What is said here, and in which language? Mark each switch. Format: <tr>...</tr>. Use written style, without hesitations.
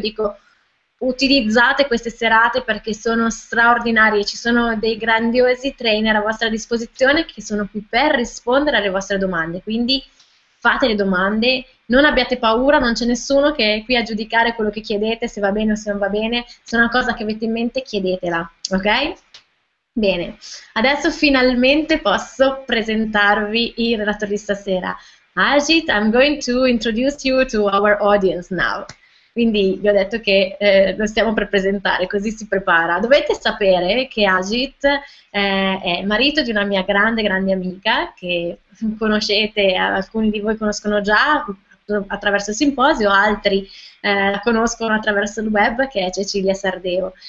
<it>Dico, utilizzate queste serate perché sono straordinarie, ci sono dei grandiosi trainer a vostra disposizione che sono qui per rispondere alle vostre domande, quindi fate le domande, non abbiate paura, non c'è nessuno che è qui a giudicare quello che chiedete, se va bene o se non va bene, se è una cosa che avete in mente chiedetela, ok? Bene, adesso finalmente posso presentarvi il relatore di stasera.</it> <en>Ajit, I'm going to introduce you to our audience now.</en> <it>Quindi vi ho detto che lo stiamo per presentare, così si prepara. Dovete sapere che Ajit è marito di una mia grande, grande amica, che conoscete, alcuni di voi conoscono già attraverso il simposio, altri la conoscono attraverso il web, che è Cecilia Sardeo.</it>